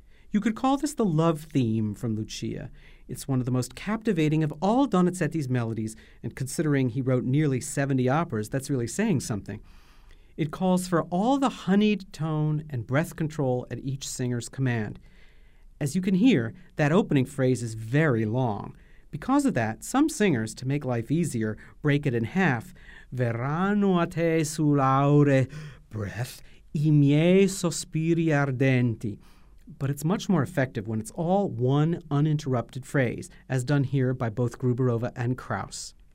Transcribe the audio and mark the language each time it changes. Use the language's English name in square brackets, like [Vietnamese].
[English] You could call this the love theme from Lucia. It's one of the most captivating of all Donizetti's melodies, and considering he wrote nearly 70 operas, that's really saying something. It calls for all the honeyed tone and breath control at each singer's command. As you can hear, that opening phrase is very long. Because of that, some singers, to make life easier, break it in half. [Italian] Verranno a te sull'aure [English] breath [Italian] I miei sospiri ardenti. [English] But it's much more effective when it's all one uninterrupted phrase, as done here by both Gruborova and Krauss.